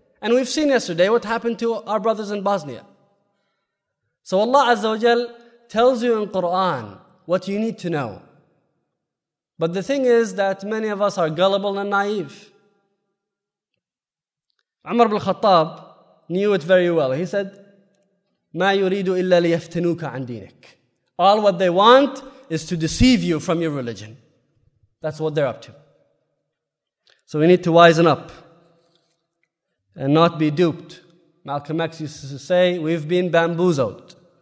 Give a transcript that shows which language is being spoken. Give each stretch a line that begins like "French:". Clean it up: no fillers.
English: And we've seen yesterday what happened to our brothers in Bosnia. So Allah Azza wa Jal tells you in Quran what you need to know. But the thing is that many of us are gullible and naive. Umar ibn al-Khattab knew it very well. He said,
Arabic: مَا يُرِيدُ إِلَّا لِيَفْتِنُوكَ عَنْ دِينِكَ.
English: All what they want is to deceive you from your religion. That's what they're up to. So we need to wisen up and not be duped. Malcolm X used to say, we've been bamboozled.